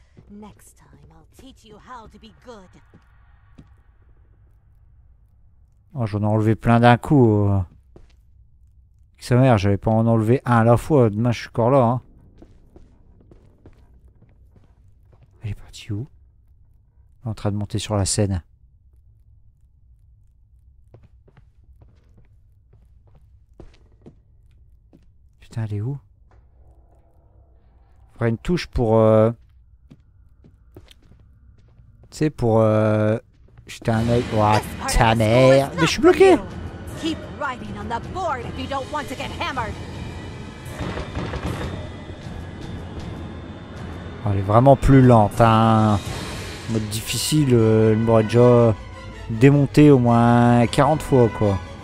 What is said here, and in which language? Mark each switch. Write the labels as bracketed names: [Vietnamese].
[English] Next time, I'll teach you how to be good. [French] Oh, j'en ai enlevé plein d'un coup. Sa mère, j'avais pas en enlevé un à la fois, demain je suis encore là. Hein. Elle est partie où? Elle est en train de monter sur la scène. Putain, elle est où? Une touche pour tu sais pour jeter un oeil. Oh, ta mère, mais je suis bloqué. [English] Keep writing on the board if you don't want to get hammered. [French] Elle est vraiment plus lente, hein. Mode difficile, elle m'aurait déjà démonté au moins 40 fois quoi.